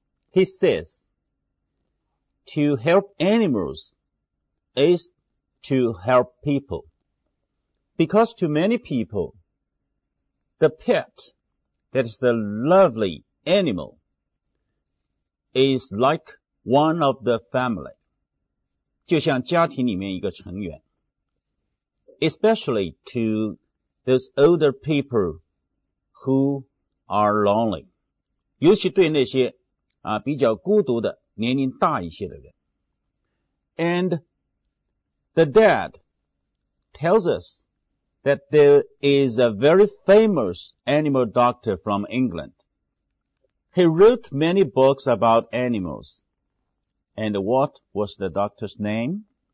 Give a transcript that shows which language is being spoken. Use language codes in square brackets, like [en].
[en] He says, to help animals is to help people. Because to many people, the pet, that is the lovely animal, is like one of the family. [zh] 就像家庭里面一个成员。 [en] Especially to those older people who are lonely. [zh] 尤其对那些啊比较孤独的年龄大一些的人。 [en] And the dad tells us,that there is a very famous animal doctor from England. He wrote many books about animals. And what was the doctor's name?